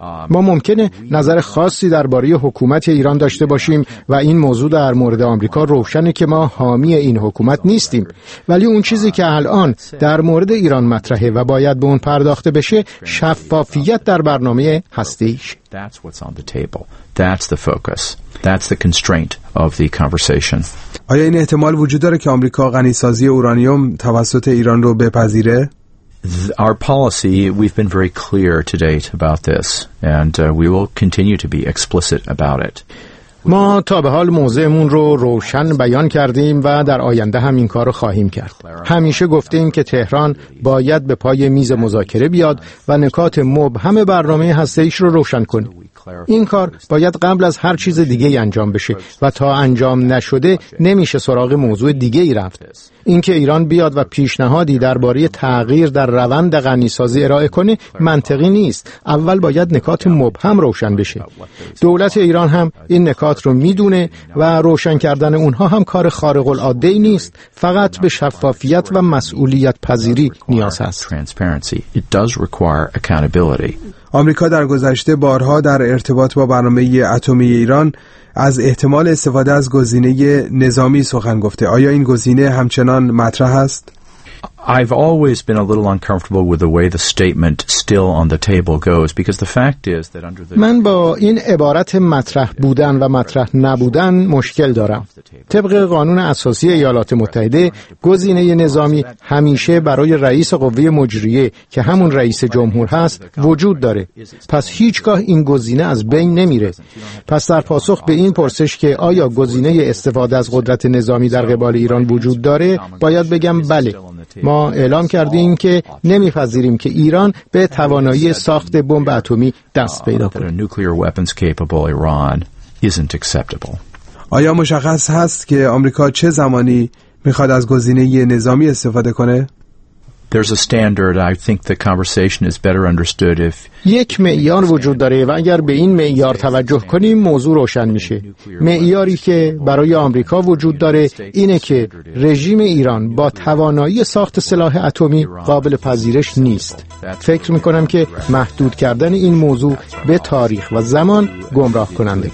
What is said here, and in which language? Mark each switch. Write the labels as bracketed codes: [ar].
[fa] ما ممکنه نظر خاصی درباره حکومت ایران داشته باشیم و این موضوع در مورد آمریکا روشنه که ما حامی این حکومت نیستیم، ولی اون چیزی که الان در مورد ایران مطرحه و باید به اون پرداخته بشه شفافیت در برنامه هسته‌ایش. آیا این احتمال وجود داره که آمریکا غنی‌سازی اورانیوم توسط ایران رو بپذیره؟ [en] Our policy, we've been very clear to date about this, and we will continue to be explicit about it. [fa] ما تا به حال موضعمون رو روشن بیان کردیم و در آینده هم این کار رو خواهیم کرد. همیشه گفتیم که تهران باید به پای میز مذاکره بیاد و نکات مبهم برنامه هسته‌ایش رو روشن کنه. این کار باید قبل از هر چیز دیگه انجام بشه و تا انجام نشده نمیشه سراغ موضوع دیگه ای رفت. اینکه ایران بیاد و پیشنهادی درباره تغییر در روند غنی‌سازی ارائه کنه منطقی نیست. اول باید نکات مبهم روشن بشه. دولت ایران هم این نکات رو میدونه و روشن کردن اونها هم کار خارق العاده ای نیست، فقط به شفافیت و مسئولیت پذیری نیاز هست. آمریکا در گذشته بارها در ارتباط با برنامه اتمی ایران از احتمال استفاده از گزینه نظامی سخن گفته. آیا این گزینه همچنان مطرح است؟ [en] I've always been a little uncomfortable with the way the statement still on the table goes because the fact is that under the [fa] من با این عبارت مطرح بودن و مطرح نبودن مشکل دارم. طبق قانون اساسی ایالات متحده گزینه نظامی همیشه برای رئیس قوه مجریه که همون رئیس جمهور هست وجود داره. پس هیچگاه این گزینه از بین نمیره. پس در پاسخ به این پرسش که آیا گزینه استفاده از قدرت نظامی در قبال ایران وجود داره، باید بگم بله. ما اعلام کردیم که نمی‌پذیریم که ایران به توانایی ساخت بمب اتمی دست پیدا کند. آیا مشخص هست که آمریکا چه زمانی می‌خواد از گزینه نظامی استفاده کنه؟ [en] There's a standard. I think the conversation is better understood if [fa] یک معیار وجود داره و اگر به این معیار توجه کنیم موضوع روشن میشه. معیاری که برای آمریکا وجود داره اینه که رژیم ایران با توانایی ساخت سلاح اتمی قابل پذیرش نیست. فکر میکنم که محدود کردن این موضوع به تاریخ و زمان گمراه کننده.